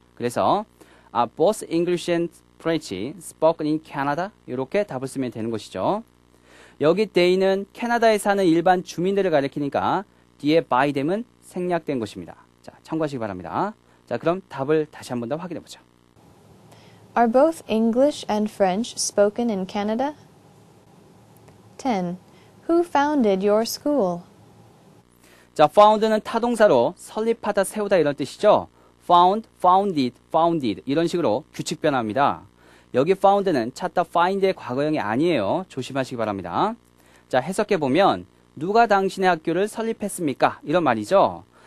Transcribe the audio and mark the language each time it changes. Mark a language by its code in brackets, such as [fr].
[en] 그래서 아 both English and French spoken in Canada [ko] 이렇게 답을 쓰면 되는 것이죠. 여기 they는 캐나다에 사는 일반 주민들을 가리키니까 뒤에 by them은 생략된 것입니다. 자, 참고하시기 바랍니다. 자, 그럼 답을 다시 한 번 더 확인해 보죠. [en] Are both English and French spoken in Canada? 10. Who founded your school? [ko] 자, found는 타동사로 설립하다 세우다 이런 뜻이죠. Found, founded, founded 이런 식으로 규칙 변화합니다. 여기 found는 찾다 find의 과거형이 아니에요. 조심하시기 바랍니다. 자, 해석해보면 누가 당신의 학교를 설립했습니까? 이런 말이죠.